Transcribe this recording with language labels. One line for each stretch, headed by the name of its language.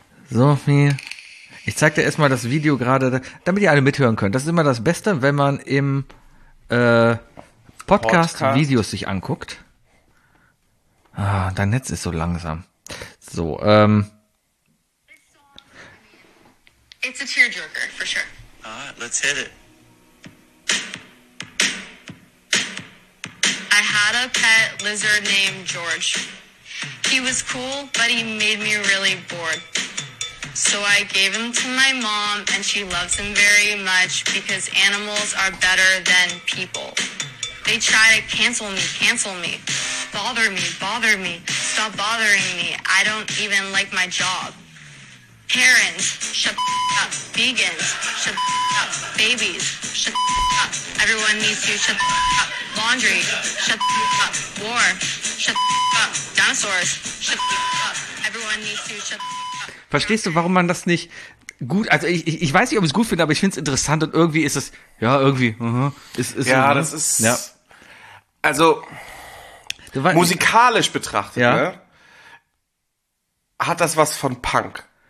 German: Sophie. Ich zeig dir erstmal das Video gerade, damit ihr alle mithören könnt. Das ist immer das Beste, wenn man im Podcast Videos sich anguckt. Ah, dein Netz ist so langsam. So,
English: It's a tearjerker, for sure. Alright, let's hit it. I had a pet lizard named George. He was cool, but he made me really bored. So I gave him to my mom, and she loves him very much because animals are better than people. They try to cancel me, bother me, stop bothering me. I don't even like my job. Parents, shut the up. Vegans, shut the up. Babies, shut the up. Everyone needs to shut the up. Laundry, shut the up. War, shut the up. Dinosaurs, shut the up. Everyone needs to shut the up.
German: Verstehst du, warum man das nicht gut, also ich weiß nicht, ob ich es gut finde, aber ich finde es interessant und irgendwie ist es, ja, irgendwie, ist ja, das ist, ja. Also, musikalisch betrachtet, ja. Ne, hat das was von Punk.